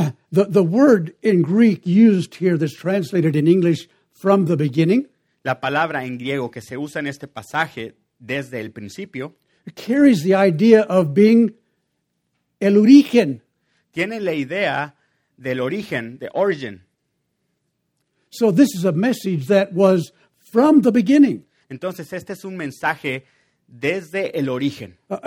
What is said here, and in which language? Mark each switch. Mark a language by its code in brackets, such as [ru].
[en] The word in Greek used here that's translated in English from the beginning. [es] La palabra en griego que se usa en este pasaje desde el principio. [en] Carries the idea of being [es] el origen. Tiene la idea del origen, [en] the origin. So this is a message that was from the beginning. [es] Entonces este es un mensaje desde el origen.